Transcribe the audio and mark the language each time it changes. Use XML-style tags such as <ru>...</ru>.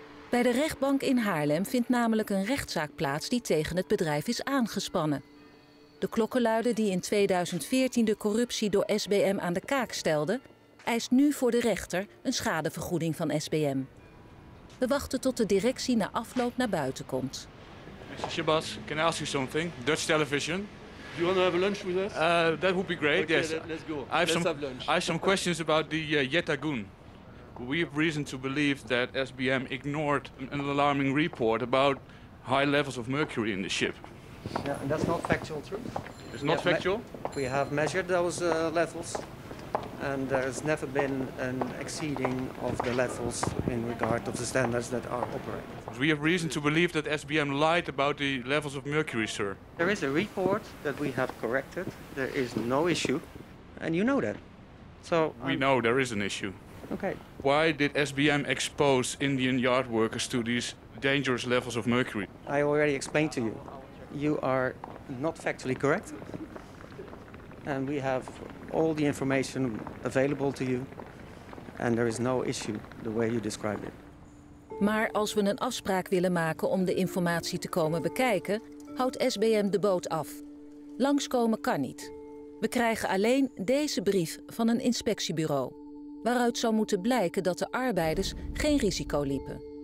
<nl>Bij de rechtbank in Haarlem vindt namelijk een rechtszaak plaats die tegen het bedrijf is aangespannen. De klokkenluider die in 2014 de corruptie door SBM aan de kaak stelde, eist nu voor de rechter een schadevergoeding van SBM. We wachten tot de directie na afloop naar buiten komt.</nl> <en>Mr. Shabazz, can I ask you something? Dutch television. Do you want to have lunch with us? That would be great. Okay, yes. Let's go. I have some questions about the Yetagun. We have reason to believe that SBM ignored an alarming report about high levels of mercury in the ship. Yeah, and that's not factual, true. It's not factual? We have measured those levels, and there has never been an exceeding of the levels in regard of the standards that are operated. We have reason to believe that SBM lied about the levels of mercury, sir. There is a report that we have corrected. There is no issue, and you know that. So we know there is an issue. Okay. Why did SBM expose Indian yard workers to these dangerous levels of mercury? I already explained to you. You are not factually correct, and we have all the information available to you, and there is no issue the way you describe it.</en> <nl>Maar als we een afspraak willen maken om de informatie te komen bekijken, houdt SBM de boot af. Langskomen kan niet. We krijgen alleen deze brief van een inspectiebureau, waaruit zou moeten blijken dat de arbeiders geen risico liepen.</nl>